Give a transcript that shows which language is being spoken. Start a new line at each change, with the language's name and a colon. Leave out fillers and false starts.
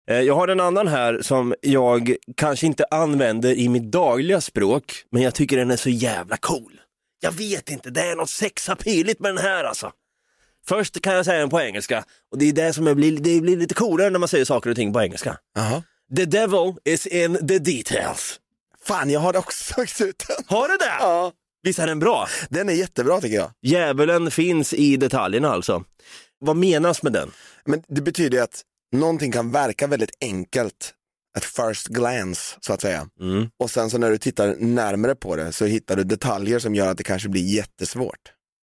Swedish: Jag har en annan här som jag kanske inte använder i mitt dagliga språk, men jag tycker den är så jävla cool. Jag vet inte, det är något sexapiligt med den här alltså. Först kan jag säga den på engelska, och det är det som det blir lite coolare när man säger saker och ting på engelska. Uh-huh.
English: The devil is in the details.
Swedish: Fan, jag har också sagt ut den. Har du det? Ja. Visst är den bra? Den är jättebra tycker jag. Djävulen finns i detaljerna alltså. Vad menas med den? Men det betyder att någonting kan verka väldigt enkelt,
English: at first glance,
Swedish: så att säga. Mm. Och sen så när du tittar närmare på det så hittar du detaljer som gör att det kanske blir jättesvårt.